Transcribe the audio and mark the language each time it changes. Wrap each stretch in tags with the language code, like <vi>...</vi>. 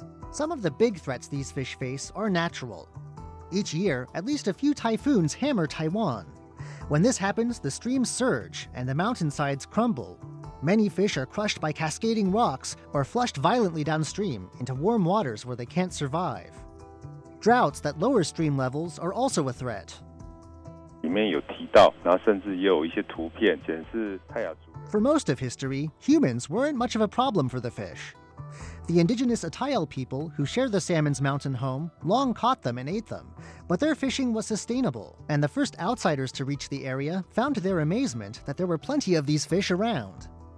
<en>Some of the big threats these fish face are natural. Each year, at least a few typhoons hammer Taiwan. When this happens, the streams surge and the mountainsides crumble. Many fish are crushed by cascading rocks or flushed violently downstream into warm waters where they can't survive. Droughts that lower stream levels are also a threat.</en> <zh>里面有提到，然后甚至也有一些图片显示泰雅族。</zh> <en>For most of history, humans weren't much of a problem for the fish. The indigenous Atayal people who share the salmon's mountain home long caught them and ate them, but their fishing was sustainable, and the first outsiders to reach the area found to their amazement that there were plenty of these fish around.</en>